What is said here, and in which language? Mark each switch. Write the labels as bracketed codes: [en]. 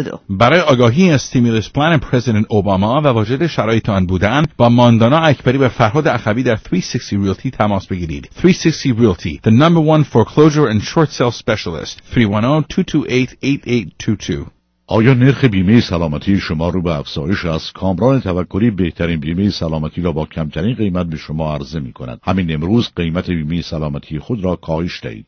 [fa] برای آگاهی از استیمولس پلان پرزیدنت اوباما و واجد شرایط آن بودن، با ماندانا اکبری و فرهاد اخوی در 360 Realty تماس بگیرید. [en] 360 Realty, the number one foreclosure and short sale specialist. 310-228-8822. [fa] آیا نرخ بیمه سلامتی شما رو به افزایش است؟ کامران توکلی بهترین بیمه سلامتی را با کمترین قیمت به شما عرضه می کند. همین امروز قیمت بیمه سلامتی خود را کاهش دهید.